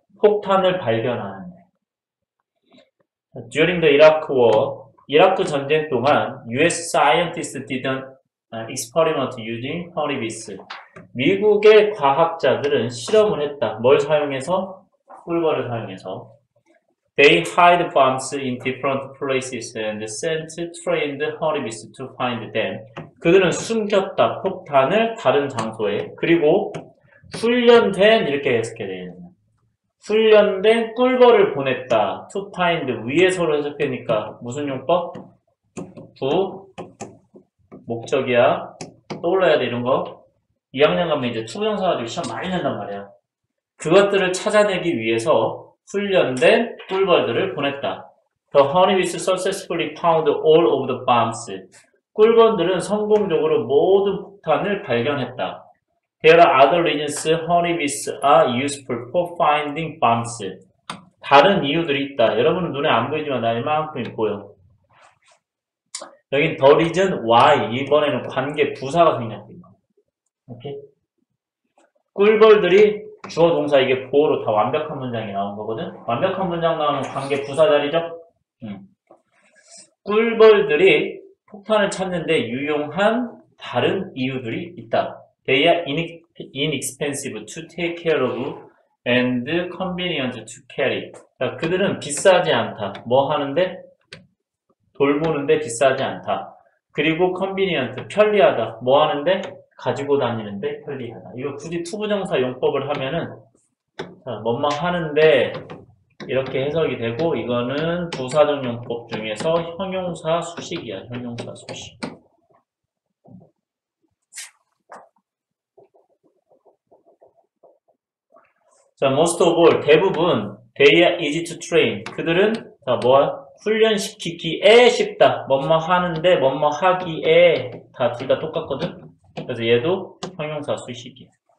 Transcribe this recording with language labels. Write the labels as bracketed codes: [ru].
[ko] 폭탄을 발견하는 데. [en] During the Iraq War, [ko] 이라크 전쟁 동안 [en] US scientists did an experiment using honeybees. [ko] 미국의 과학자들은 실험을 했다. 뭘 사용해서? 꿀벌을 사용해서. [en] They hide bombs in different places and sent trained honeybees to find them. [ko] 그들은 숨겼다. 폭탄을 다른 장소에. 그리고 훈련된, 이렇게 해석해야 되겠네. 훈련된 꿀벌을 보냈다. [en] To find, [ko] 위에서로 해석되니까 무슨 용법? 부, 목적이야. 떠올라야 돼, 이런 거. 2학년 가면 이제 투부정사 가지고 시험 많이 낸단 말이야. 그것들을 찾아내기 위해서 훈련된 꿀벌들을 보냈다. [en] The honeybees successfully found all of the bombs. [ko] 꿀벌들은 성공적으로 모든 폭탄을 발견했다. [en] There are other reasons honeybees are useful for finding bombs. [ko] 다른 이유들이 있다. 여러분은 눈에 안 보이지만 나 이만큼 보여. 여긴 [en] the reason why. [ko] 이번에는 관계 부사가 생략됩니다. 오케이? 꿀벌들이 주어 동사 이게 보어로 다 완벽한 문장이 나온 거거든. 완벽한 문장 나오면 관계 부사 자리죠. 꿀벌들이 폭탄을 찾는데 유용한 다른 이유들이 있다. [en] They are inexpensive to take care of and convenient to carry. [ko] 자, 그들은 비싸지 않다. 뭐 하는데? 돌보는데 비싸지 않다. 그리고 convenient, 편리하다. 뭐 하는데? 가지고 다니는데 편리하다. 이거 굳이 투부정사 용법을 하면은 자, 뭐뭐 하는데 이렇게 해석이 되고, 이거는 부사적 용법 중에서 형용사 수식이야. 형용사 수식. [en] 자, most of all, [ko] 대부분, [en] they are easy to train. [ko] 그들은 자, 뭐 훈련시키기에 쉽다. 뭐뭐 하는데 뭐뭐 하기에, 다 둘 다 똑같거든. 그래서 얘도 형용사 수식이야.